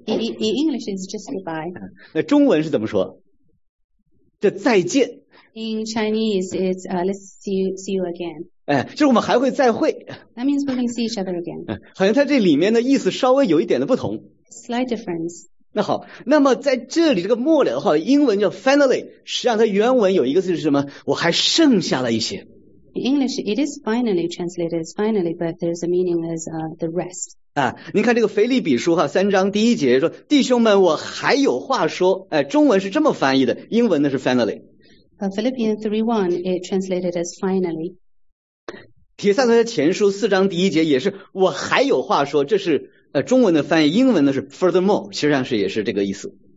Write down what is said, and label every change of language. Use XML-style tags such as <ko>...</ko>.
<en>？In English is just goodbye.</en> <zh>那中文是怎么说？这再见。</zh> <en>In Chinese it's let's see you again.</en> <zh>就是我们还会再会。</zh> <en>That means we can see each other again.</en> <zh>好像它这里面的意思稍微有一点的不同。</zh> <en>Slight difference.</en> <zh>那好，那么在这里这个末了的话，英文叫 finally， 实际上它原文有一个字是什么？我还剩下了一些。</zh> <en>In English, it is finally translated as finally, but there's a meaning as the rest.</en> <zh>啊，您看这个腓立比书哈，三章第一节说：“弟兄们，我还有话说。” 哎，中文是这么翻译的，英文呢是 finally。</zh> <en>Philippians 3:1 it translated as finally。</en> <zh>帖撒罗尼迦前书四章第一节也是我还有话说，这是中文的翻译，英文的是 furthermore， 其实上是也是这个意思。</zh>